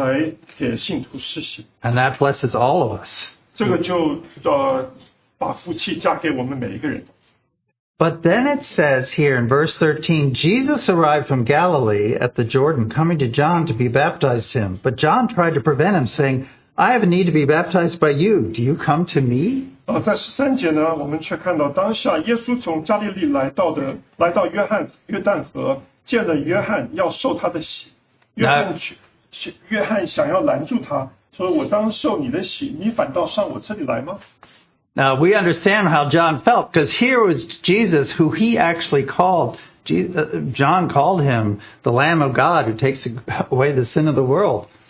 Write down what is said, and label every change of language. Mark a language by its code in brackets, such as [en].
[zh] 这个就是在主耶稣他升天以后，他用这个圣灵来给信徒施洗。 [en] And that blesses all of us. [zh] 这个就把福气嫁给我们每一个人。 [en] But then it says here in verse 13, Jesus arrived from Galilee at the Jordan, coming to John to be baptized him. But John tried to prevent him, saying, I have a need to be baptized by you. Do you come to me? [zh] 在13节呢,我们却看到当下耶稣从加利利来到约翰约旦河,见了约翰要受他的洗。约翰想要拦住他,说我当受你的洗,你反倒上我这里来吗? [en] Now, we understand how John felt, because here was Jesus, who he actually called, John called him, the Lamb of God, who takes away the sin of the world.